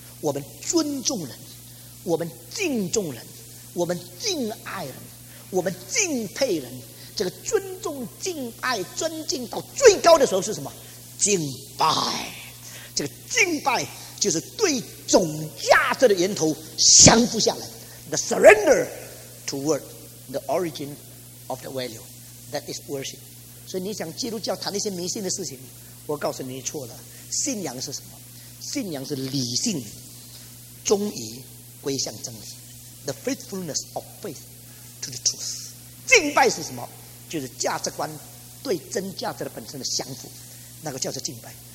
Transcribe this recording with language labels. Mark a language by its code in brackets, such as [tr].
[zh] 我们尊重人，我们敬重人，我们敬爱人，我们敬佩人。这个尊重、敬爱、尊敬到最高的时候是什么？敬拜。这个敬拜就是对总价值的源头降服下来。 [en] The surrender toward the origin of the value. That is worship. [zh] 所以你想基督教谈那些迷信的事情，我告诉你错了。信仰是什么？信仰是理性，忠于归向真理。 [en] The faithfulness of faith to the truth. [zh] 敬拜是什么？就是价值观对真价值的本身的降服，那个叫做敬拜。